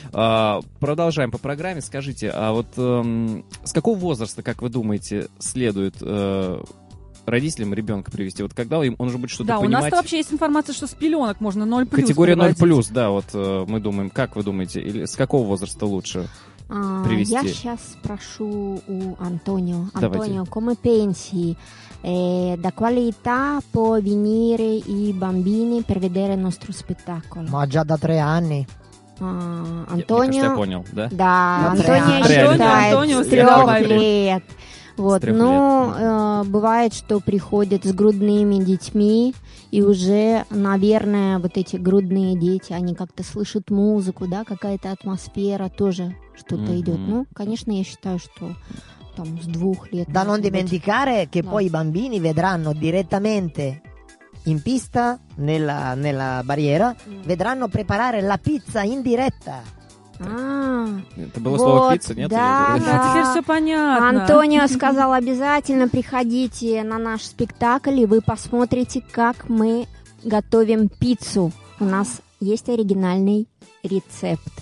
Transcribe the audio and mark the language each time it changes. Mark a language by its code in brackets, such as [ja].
[ru] Продолжаем по программе. Скажите, а вот с какого возраста, как вы думаете, следует родителям ребенка привести? Вот когда он уже будет что-то понимать? Да, у нас-то вообще есть информация, что с пеленок можно 0+. Категория 0+, да, вот мы думаем. Как вы думаете, или с какого возраста лучше привести? Я сейчас спрошу у Антонио. [it] Антонио, come pensi? Da quale età può venire i bambini per vedere il nostro spettacolo? Ma già da 3 anni. Antonio, [ru] я понял, да? Да, Антонио считает с 3 лет. Вот, ну, бывает, что приходят с грудными детьми, и уже, наверное, вот эти грудные дети, они как-то слышат музыку, да, какая-то атмосфера тоже что-то идет. Ну, конечно, я считаю, что там с двух лет... [it] Да, non dimenticare che poi i bambini vedranno direttamente in pista, nella barriera, vedranno preparare la pizza in diretta. [ru] Это было слово «пицца», нет? Да, да. Теперь все понятно. Антонио сказал, обязательно приходите на наш спектакль, и вы посмотрите, как мы готовим пиццу. У нас есть оригинальный рецепт.